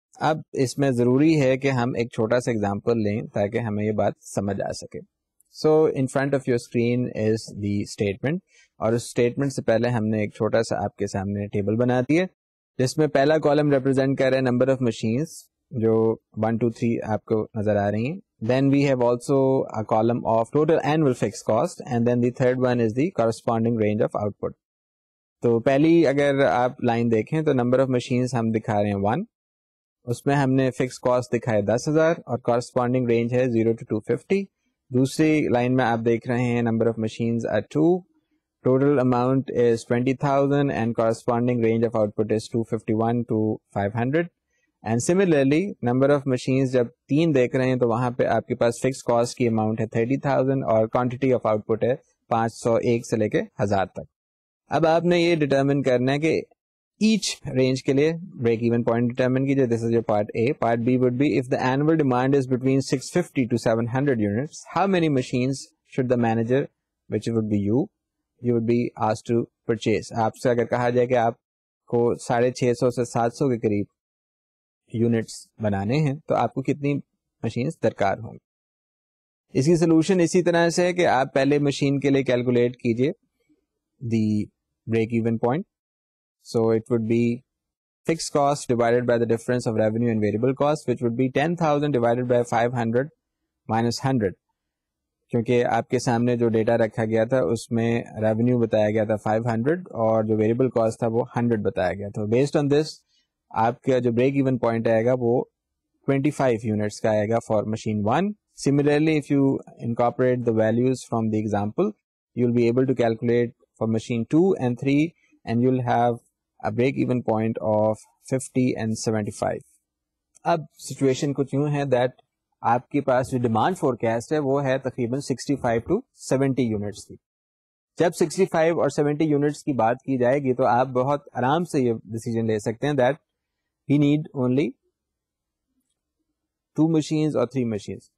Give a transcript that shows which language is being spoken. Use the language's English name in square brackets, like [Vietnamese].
[Urdu] اب اس میں ضروری ہے کہ ہم ایک چھوٹا سا ایگزامپل لیں تاکہ ہمیں یہ بات سمجھ آ سکے. [English] so in front of your screen is the statement, [Urdu] اور اس اسٹیٹمنٹ سے پہلے ہم نے ایک چھوٹا سا آپ کے سامنے ٹیبل بنا دی ہے جس میں پہلا کالم ریپرزینٹ کر رہا ہے نمبر آف مشینس جو 1, 2, 3 آپ کو نظر آ رہی ہیں. [English] Then we have also a column of total annual fixed cost, and then the third one is the corresponding range of output. [Urdu] تو پہلی اگر آپ لائن دیکھیں تو نمبر آف مشینس ہم دکھا رہے ہیں 1, اس میں ہم نے فکس کاسٹ دکھائے 10,000 اور کارسپونڈنگ رینج ہے 0 to 250. دوسری لائن میں آپ دیکھ رہے ہیں [English] Number of machines are 2, total amount is 20,000 and corresponding range of output is 251 to 500. [Urdu] And similarly number of machines جب 3 دیکھ رہے ہیں تو وہاں پہ آپ کے پاس فکس کاسٹ کی اماؤنٹ ہے 30,000 اور کوانٹیٹی آف آؤٹ پٹ ہے 501 سے لے کے 1,000 تک. اب آپ نے یہ ڈیٹرمن کرنا ہے کہ ایچ رینج کے لیے بریک ایون پوائنٹ ڈیٹرمن کیجیے. [English] This is your part A. Part B would be if the annual demand is between 650 to 700 units, how many machines should the manager which would be you you would be asked to purchase. [Urdu] آپ سے اگر کہا جائے کہ آپ کو 650 to 700 کے قریب یونٹس بنانے ہیں تو آپ کو کتنی مشینس درکار ہوں گی. اس کی سولوشن اسی طرح سے ہے کہ آپ پہلے مشین کے لیے کیلکولیٹ کیجیے دی break even point. [English] so it would be fixed cost divided by the difference of revenue and variable cost which would be 10,000 divided by 500 minus 100, [Urdu] کیونکہ آپ کے سامنے جو ڈیٹا رکھا گیا تھا اس میں ریونیو بتایا گیا تھا 500 اور جو ویریبل کاسٹ تھا وہ 100 بتایا گیا تھا. بیسڈ آن دس آپ کا جو بریک ایون پوائنٹ آئے گا وہ 25 یونٹس کا آئے گا [English] For machine 1. Similarly if you incorporate the values from the example you will be able to calculate for machine 2 and 3, and you will have a break even point of 50 and 75. [Urdu] اب situation کچھ یوں ہے that آپ کے پاس جو demand four cost ہے وہ ہے تقریباً 65 to 70 یونٹس کی. جب 65 اور 70 یونٹس کی بات کی جائے گی تو آپ بہت آرام سے یہ ڈیسیجن لے سکتے ہیں [English] That we need only 2 machines or 3 machines.